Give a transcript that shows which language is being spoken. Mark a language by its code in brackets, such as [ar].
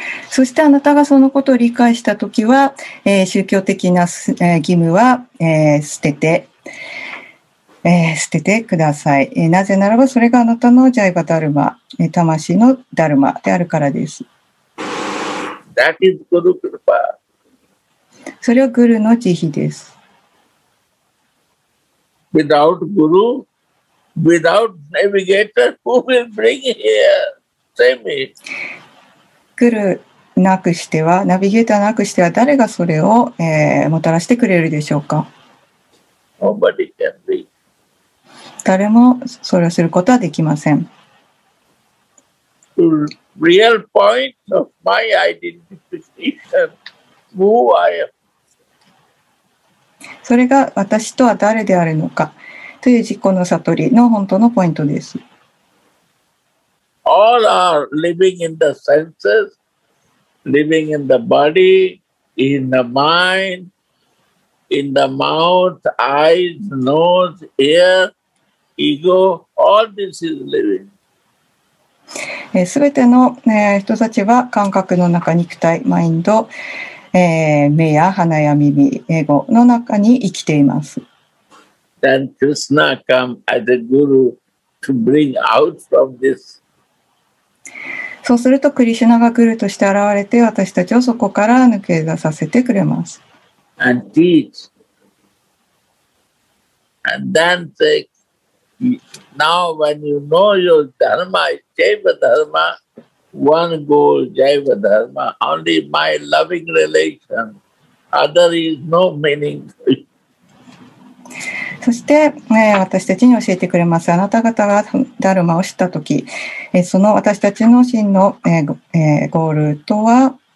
[ja] そしてあなたがそのことを理解したときは、宗教的な、義務は、捨ててください、なぜならばそれがあなたのジャイバダルマ、魂のダルマであるからです。 [en] That is Guru Krupa. [ja] それはグルの慈悲です。 [en] Without GuruWithout navigator, who will bring here? Tell me. Guru [ja] なくしては、ナビゲーターなくしては誰がそれを、もたらしてくれるでしょうか。 [en] Nobody can be. [ja] 誰もそれをすることはできません。 [en] Real point of my identification, who I am. [ja] それが私とは誰であるのかという自己の悟りの本当のポイントです。 [en] All are living in the senses, living in the body, in the mind, in the mouth, eyes, nose, ear, ego, all this is living. [ja] すべての、人たちは感覚の中、肉体、マインド、目や鼻や耳、エゴの中に生きています。 [en] Then Krishna come as a guru to bring out from this. [ja] そうするとクリシュナがグルとして現れて私たちをそこから抜け出させてくれます。 [en] And teach. And then say,Now when you know your dharma, jaiva dharma, one goal, jaiva dharma, only my loving relation, other is no meaning. [ja] そして、私たちに教えてくれます。あなた方がダルマを知ったとき、その私たちの真の、ゴールとは、